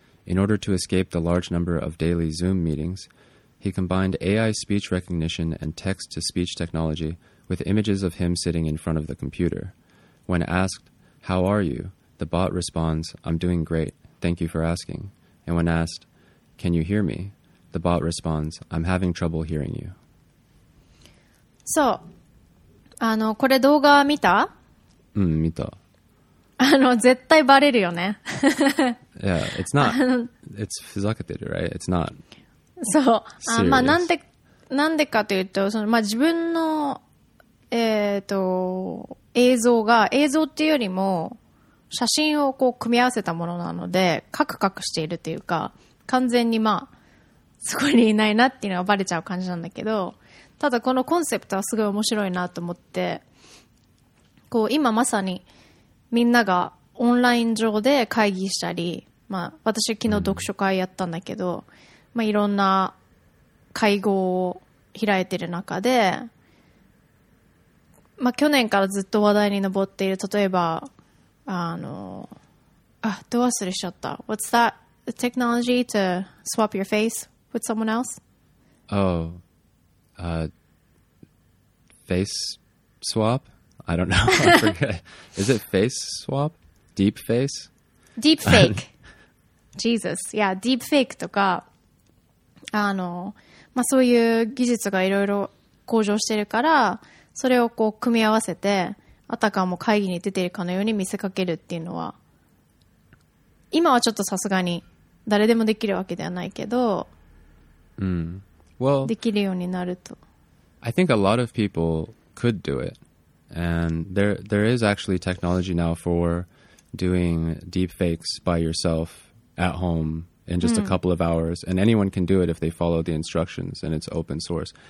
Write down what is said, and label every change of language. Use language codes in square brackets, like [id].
[en] In order to escape the large number of daily Zoom meetings, he combined AI speech recognition and text-to-speech technology with images of him sitting in front of the computer. When asked, "How are you?", the bot responds, "I'm doing great. Thank you for asking." And when asked, "Can you hear me?", the bot responds, "I'm having trouble hearing you." [ja] そう、あの、これ動画見た？うん、見た。あの、絶対バレるよね。 [en] Yeah, it's not. It's fuzzacated, right? It's not. [ja] そう、あ、まあ、なんでかというと、その、まあ、自分の映像が、映像っていうよりも写真をこう組み合わせたものなので、カクカクしているというか、完全にまあそこにいないなっていうのがバレちゃう感じなんだけど、ただこのコンセプトはすごい面白いなと思って、こう今まさにみんながオンライン上で会議したり、まあ私昨日読書会やったんだけど、まあいろんな会合を開いてる中で、まあ去年からずっと話題に上っている、例えば、どう忘れちゃった、 [en] What's that? The technology to swap your face with someone else? Oh, face swap? I don't know. I forget. Is it face swap? Deep face? Deep fake. Jesus. [ja] Yeah, deep fake とか、まあ、そういう技術がいろいろ向上してるから、それをこう組み合わせて、あたかも会議に出ているかのように見せかけるっていうのは、今はちょっとさすがに誰でもできるわけではないけど、うん、well, できるようになると、 [en] I think a lot of people could do it, and there is actually technology now for doing deep fakes by yourself at home in just、うん、a couple of hours, and anyone can do it if they follow the instructions, and it's open source.